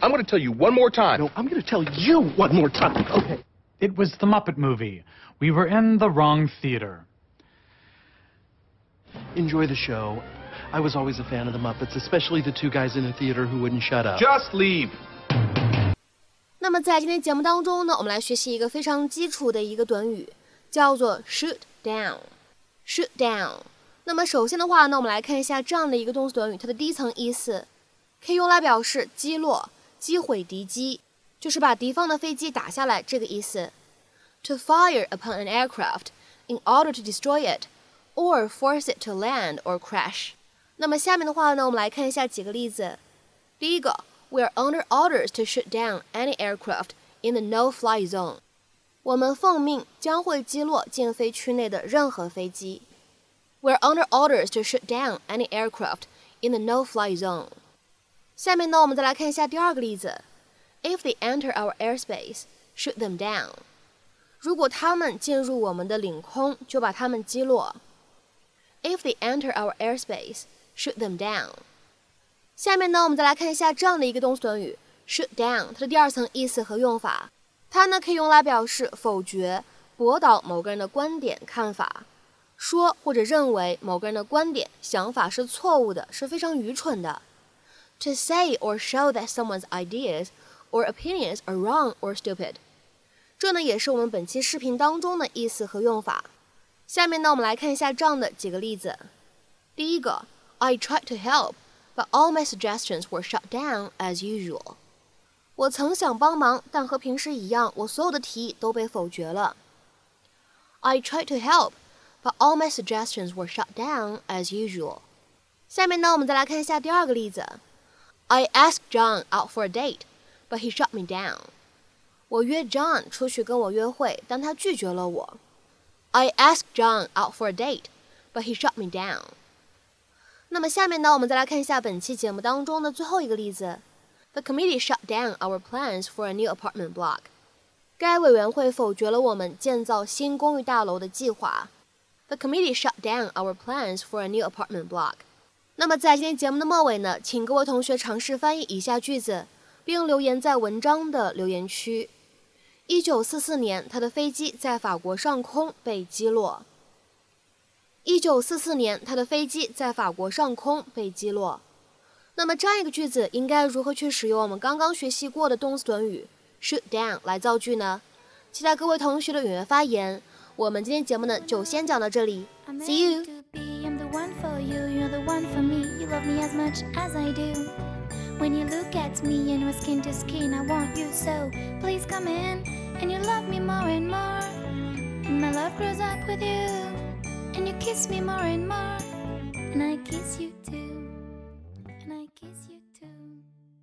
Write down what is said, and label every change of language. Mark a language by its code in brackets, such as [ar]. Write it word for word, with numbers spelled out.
[en] I'm going to tell you one more time. No, I'm going to tell you one more time. Okay. It was the Muppet movie. We were in the wrong theater. Enjoy the show. I was always a fan of the Muppets, especially the two guys in the theater who wouldn't shut up. Just leave. [zh] 那么在今天节目当中呢，我们来学习一个非常基础的一个短语，叫做 shoot down. [en] Shoot down. [zh] 那么首先的话呢，我们来看一下这样的一个动词短语，它的第一层意思可以用来表示击落、击毁敌机，就是把敌方的飞机打下来这个意思。 [en] To fire upon an aircraft in order to destroy it or force it to land or crash. [zh] 那么下面的话呢，我们来看一下几个例子。 [en] 第一个，We are under orders to shoot down any aircraft in the no-fly zone. [zh] 我们奉命将会击落禁飞区内的任何飞机。 [en] We're under orders to shoot down any aircraft in the no-fly zone. [zh] 下面呢，我们再来看一下第二个例子。 [en] If they enter our airspace, shoot them down. [zh] 如果他们进入我们的领空，就把他们击落。 [en] If they enter our airspace, shoot them down. [zh] 下面呢，我们再来看一下这样的一个动词短语 shoot down， 它的第二层意思和用法它呢可以用来表示否决、驳倒某个人的观点、看法，说或者认为某个人的观点、想法是错误的，是非常愚蠢的。 [en] To say or show that someone's ideas or opinions are wrong or stupid。 [zh] 这呢也是我们本期视频当中的意思和用法。下面呢我们来看一下这样的几个例子。 [en] 第一个 I tried to help, but all my suggestions were shut down as usual。 [zh] 我曾想帮忙，但和平时一样，我所有的提议都被否决了。 [en] I tried to help, but all my suggestions were shut down as usual。 [zh] 下面呢我们再来看一下第二个例子。 [en] I asked John out for a date, but he shut me down。 [zh] 我约 John 出去跟我约会，但他拒绝了我。 [en] I asked John out for a date, but he shut me down。 [zh] 那么下面呢，我们再来看一下本期节目当中的最后一个例子。 [en] The committee shut down our plans for a new apartment block。 [zh] 该委员会否决了我们建造新公寓大楼的计划。 [en] The committee shut down our plans for a new apartment block。 [zh] 那么在今天节目的末尾呢，请各位同学尝试翻译以下句子，并留言在文章的留言区。一九四四年，他的飞机在法国上空被击落。一九四四年，他的飞机在法国上空被击落。那么这样一个句子应该如何去使用我们刚刚学习过的动词短语 shoot down 来造句呢？期待各位同学的踊跃发言。我们今天节目呢就先讲到这里。 [en] See you! One for you, you're the one for me. You love me as much as I do. When you look at me and we're skin to skin, I want you so. Please come in, and you love me more and more. And my love grows up with you, and you kiss me more and more. And I kiss you too, and I kiss you too.